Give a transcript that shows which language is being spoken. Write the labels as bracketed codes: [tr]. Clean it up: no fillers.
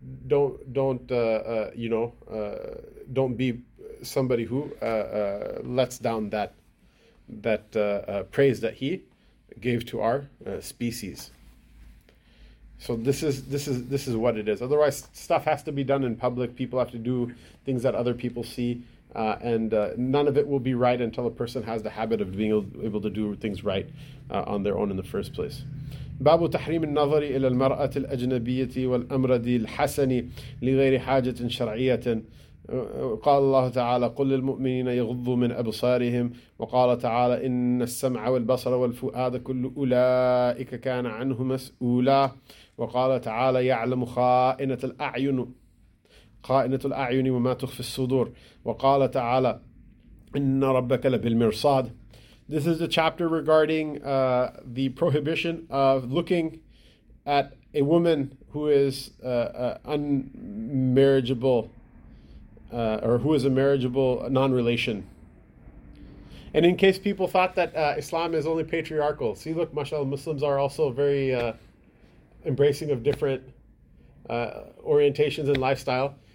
[en] Don't be somebody who lets down that praise that he gave to our species. So this is what it is. Otherwise, stuff has to be done in public. People have to do things that other people see. And none of it will be right until a person has the habit of being able to do things right on their own in the first place. [ar] باب تحريم النظر إلى المرأة الأجنبية والأمردي الحسن لغير حاجة شرعية. قال الله تعالى قل للمؤمنين يغضوا من أبصارهم. وقال تعالى إن السمع والبصر والفؤاد كل أولئك كان عنه مسؤولا. وقال تعالى يعلم خائنة الأعين خائنة الأعين وما تخفي الصدور. وقال تعالى إن ربك لبالمرصاد. [en] This is a chapter regarding the prohibition of looking at a woman who is unmarriageable, or who is a marriageable non-relation. And in case people thought that Islam is only patriarchal, see, look, mashallah, Muslims are also very embracing of different orientations and lifestyle.